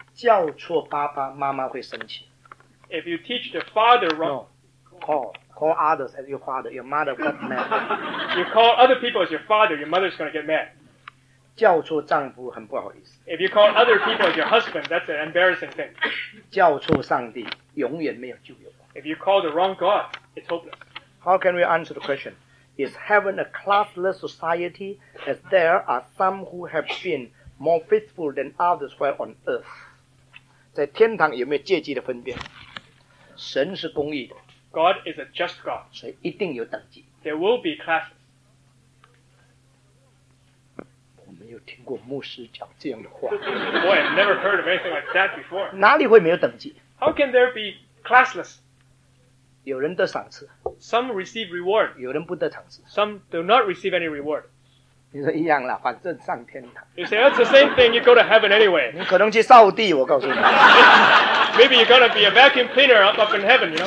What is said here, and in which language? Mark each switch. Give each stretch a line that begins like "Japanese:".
Chinese: 教错爸爸妈妈会生气。
English: If you teach the father wrong, call others as your father, your mother got mad. You call other people as your father, your mother's gonna get mad.
Chinese: 教错丈夫很不好意思。
English: If you call other people as your husband, that's an embarrassing thing.
Chinese: 教错上帝永远没有救援。
English: If you call the wrong God, it's hopeless. How can we answer the question? Is heaven a classless society as there are some who have been more faithful than others while on earth?
Chinese: 在天堂有没有阶级的分辨？神是公义的。
English: God is a just God.
Chinese: 所以一定有等级。
English: There will be classes.
Chinese: 我没有听过牧师讲这样的话。
English: Boy, I've never heard of anything like that before.
Chinese: 哪里会没有等级？
English: How can there be classless?
Chinese: 有人得赏赐
English: ，some receive reward，
Chinese: 有人不得赏赐
English: ，some do not receive any reward。
Chinese: 你说一样了，反正上天堂。
English: You say that's the same thing. You go to heaven anyway.
Chinese: 你可能去扫地，我告诉你。
English: Maybe you're gonna be a vacuum cleaner up in heaven, you know?